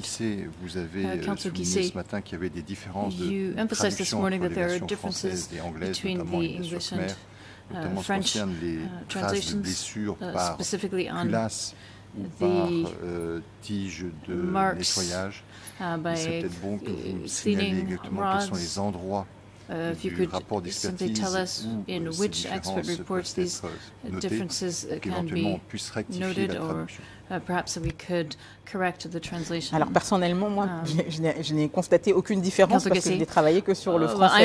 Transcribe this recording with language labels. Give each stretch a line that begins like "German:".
French: Guisset, vous avez souligné ce matin qu'il y avait des différences de traduction entre les versions françaises et anglaises, notamment les versions khmères, notamment ce qui concerne les traces de blessures par culasse ou par tige de nettoyage. C'est peut-être bon que vous signaliez exactement quels sont les endroits
English: If you could simply tell us in which expert reports these differences can be noted, or perhaps we could correct the translation.
French: Alors personnellement, moi, je n'ai constaté aucune différence parce que je n'ai travaillé que sur le français.